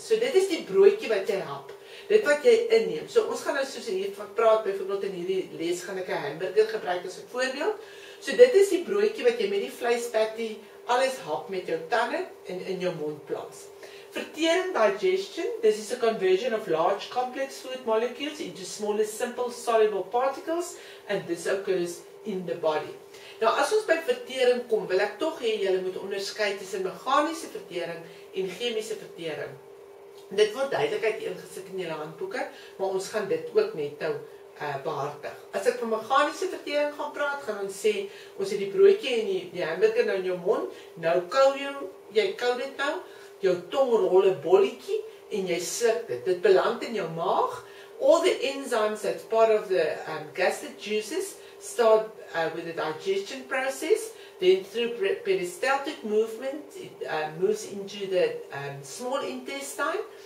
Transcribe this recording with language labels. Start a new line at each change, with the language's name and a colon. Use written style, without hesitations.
Afrikaans: So dit is die broodjie wat jy hap. Dit wat jy inneem. So ons gaan nou soos hier van praat, byvoorbeeld in hierdie les gaan ek 'n hamburger gebruik as 'n voorbeeld. So dit is die broodjie wat jy met die vleispatty alles hap met jou tande en in jou mond plaas.
English: Vertering, digestion, this is a conversion of large complex food molecules into smaller simple soluble particles and this occurs in the body.
Afrikaans: Nou as ons by vertering kom, wil ek tog hê julle moet onderskei tussen meganiese vertering en chemiese vertering. Dit word duidelikheid ingesit in julle handboeke, maar ons gaan dit ook net nou behartig. As ek van meganiese vertering gaan praat, gaan ons sê ons het die broodjie en die hamburger nou in jou mond, nou kou jy kou dit nou, jou tong rol 'n bolletjie en jy sluk dit. Dit beland in jou maag.
English: All the enzymes that's part of the gastric juices start with the digestion process, then through peristaltic movement, it moves into the small intestine.